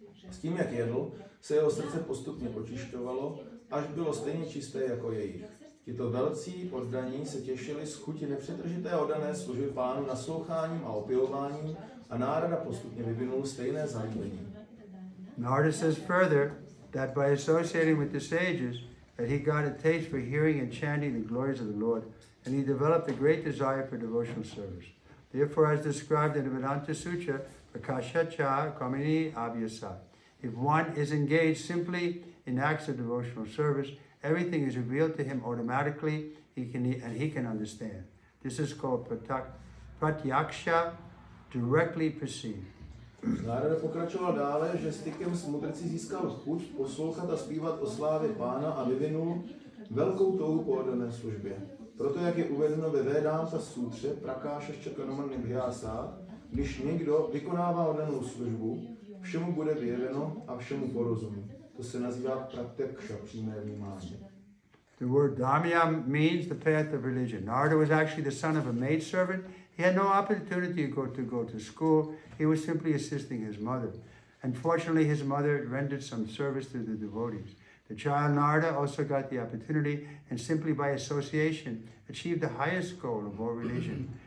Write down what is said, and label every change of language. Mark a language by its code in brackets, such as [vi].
[cs] S tím, jak jedl, se jeho srdce postupně očišťovalo, až bylo stejně čisté jako jejich. Tito velcí poddaní se těšili z chuti nepřetržité oddané služby pánu nasloucháním a opilováním a Narada postupně vyvinul stejné zalíbení. [en] Narada says further that by associating with the sages that he got a taste for hearing and chanting the glories of the Lord and he developed a great desire for devotional service. Therefore, as described in the Vedanta Sutra, [sa] Prakashacha Kamini Abhyasa, [en] if one is engaged simply in acts of devotional service, everything is revealed to him automatically, he can understand. This is called pratyaksha, directly perceived. [cs] Narada pokračoval dále, že stykem s mudrci získal chuť poslouchat a zpívat o slávě pána a vyvinul velkou touhu po oddané službě. Proto, jak je uvedeno ve Vedanta Sutře, [sa] prakáša ščekanoman nibhyasa, [cs] když někdo vykonává oddanou službu, všemu bude vyjeveno a všemu porozumí. To se nazývá pratyaksha, přímé vnímání. [en] The word dhamya means the path of religion. Narada was actually the son of a maidservant. He had no opportunity to go to school. He was simply assisting his mother. Unfortunately, his mother rendered some service to the devotees. The child Narada also got the opportunity and simply by association achieved the highest goal of all religion.